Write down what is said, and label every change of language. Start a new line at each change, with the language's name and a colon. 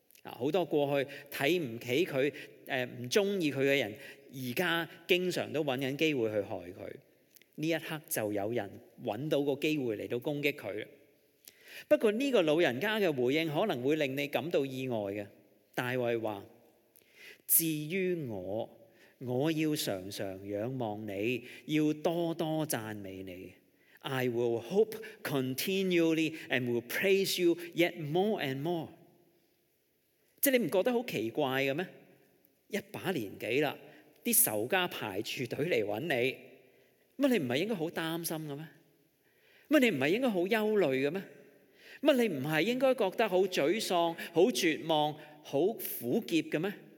Cantonese: 很多過去看不起他、不喜歡他的人，現在經常都找機會去害他，這一刻就有人找到個機會來到攻擊他。不過這個老人家的回應可能會令你感到意外的，大衛說，至於我，我要常常仰望你，要多多讚美你。
English: I will hope continually and will praise you yet more and more.
Cantonese: 即你不覺得很奇怪的嗎？一把年紀了，仇家排住隊來找你，乜你唔系应该好担心嘅咩？乜你唔系应该好忧虑嘅咩？乜你唔系应该觉得好沮丧、好绝望、好苦涩嘅咩？